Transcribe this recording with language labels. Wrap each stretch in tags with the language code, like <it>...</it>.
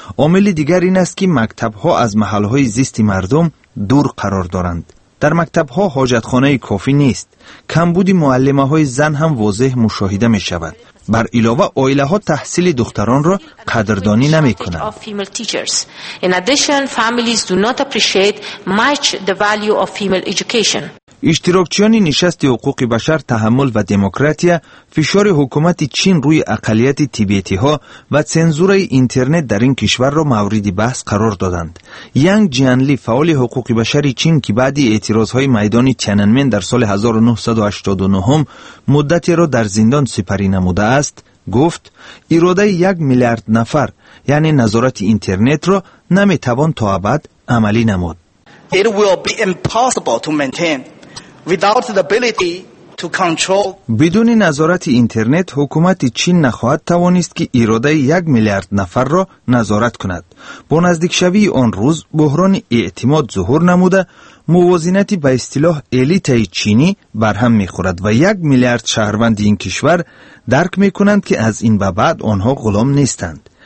<fa>عامل دیگر این است که مکتب ها از محل های زیست مردم دور قرار دارند. در مکتب ها حاجتخانه کافی نیست. کمبود معلمه های زن هم واضح مشاهده می شود. بر علاوه آیله ها تحصیل دختران را قدردانی نمی کنند.</fa> <en>In addition, families do not appreciate much the value of female education.</en> <fa>اشتراکچیان نشست حقوق بشر، تحمل و دموکراسی، فشار حکومت چین روی اقلیت تیبتی ها و سانسور اینترنت در این کشور را مورد بحث قرار دادند. یانگ جیانلی فعال حقوق بشر چین که بعد اعتراض های میدان تیاننمن در سال 1989 مدتی را در زندان سپری نموده است، گفت اراده 1 میلیارد نفر یعنی نظارت اینترنت را نمی توان تا ابد عملی نمود.</fa> <en>It will be impossible to maintain without the ability to control.</en> <fa>بدون نظارت اینترنت حکومت چین نخواهد توانست که اراده 1 میلیارد نفر را نظارت کند. با نزدیک شوی آن روز بحران اعتماد ظهور نموده، موازنت به اصطلاح الیت چینی برهم می‌خورد و 1 میلیارد شهروند این کشور درک می‌کنند که از این به بعد آنها غلام نیستند.</fa>